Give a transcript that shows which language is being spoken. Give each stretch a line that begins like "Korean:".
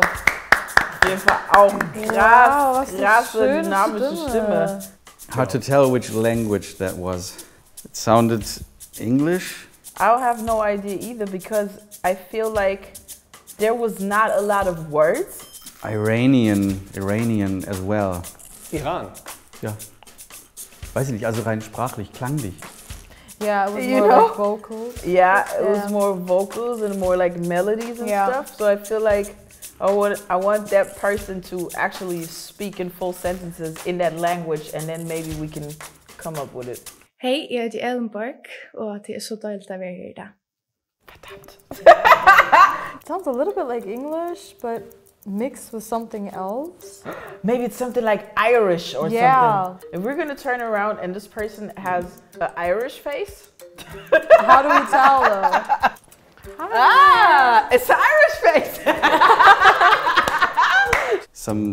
German: Auf jeden Fall auch krass, wow, was krasse, eine schöne dynamische Stimme.
English: Hard to tell which language that was. It sounded English. I have no idea either, because I feel like there was not a lot of words. Iranian as well. Iran?
German: Ja. Weiß ich nicht, also rein sprachlich, klanglich.
English: Yeah, it was more like vocals. Yeah, it was more vocals and more like melodies and stuff. So I feel like I want that person to actually speak in full sentences in that language and then maybe we can come up with it.
German: Hey, ich bin Ellenberg und es ist so toll, dass wir hier sind. Verdammt.
English: Sounds a little bit like English, but mixed with something else. Maybe it's something like Irish or yeah. something. If we're gonna turn around and this person has an Irish face. How do we tell them? Ah, it's an Irish face.